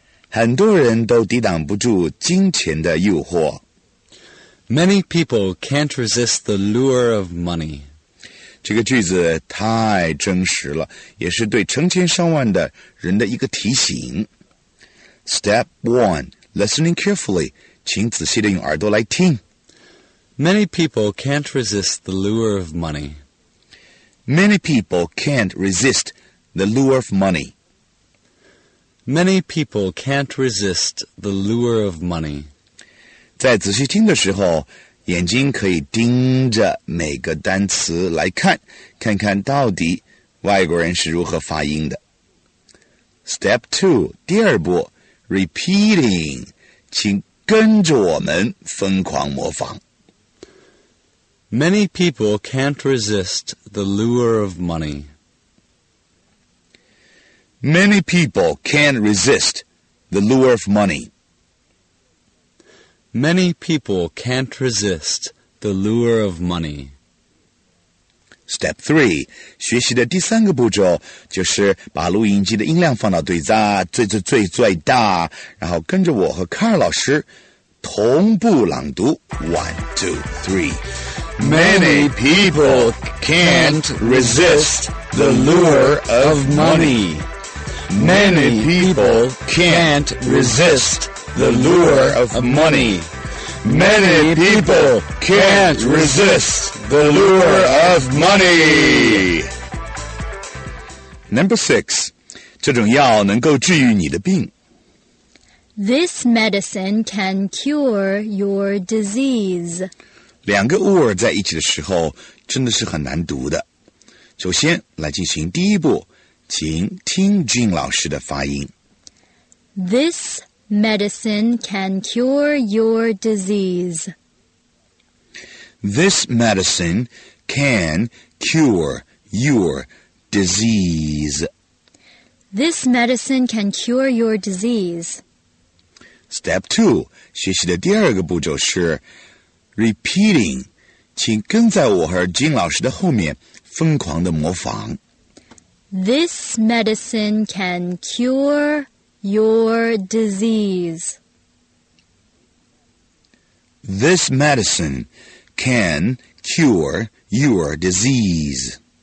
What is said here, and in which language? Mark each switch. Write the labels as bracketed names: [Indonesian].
[Chinese] 很多人都抵挡不住金钱的诱惑。 [English] Many people can't resist the lure of money. [Chinese] 这个句子太真实了，也是对成千上万的人的一个提醒。 [English] Step 1. Listening carefully. [Chinese] 请仔细地用耳朵来听。 [English] Many people can't resist the lure of money. Many people can't resist the lure of money. Many people can't resist the lure of money. [Chinese] 在仔细听的时候，眼睛可以盯着每个单词来看，看看到底外国人是如何发音的。 [English] Step 2, [Chinese] 第二步 ,repeating, 请跟着我们疯狂模仿。 [English] Many people can't resist the lure of money. Many people can't resist the lure of money. Many people can't resist the lure of money. Step 3, [Chinese] 学习的第三个步骤就是把录音机的音量放到最大，最最最最大，然后跟着我和卡尔老师同步朗读。 [English] One, two, three. Many people can't resist the lure of money. Many people can't resist the lure of money. Many people can't resist the lure of money. Number 6. [Chinese] 这种药能够治愈你的病。 [English] This medicine can cure your disease. [Chinese] 两个 or 在一起的时候真的是很难读的。首先来进行第一步，请听 Jean 老师的发音。 [English] This medicine can cure your disease. This medicine can cure your disease. This medicine can cure your disease. Step 2, [Chinese] 学习的第二个步骤是Repeating, 请跟在我和金老师的后面疯狂地模仿。 [English] This medicine can cure your disease. This medicine can cure your disease.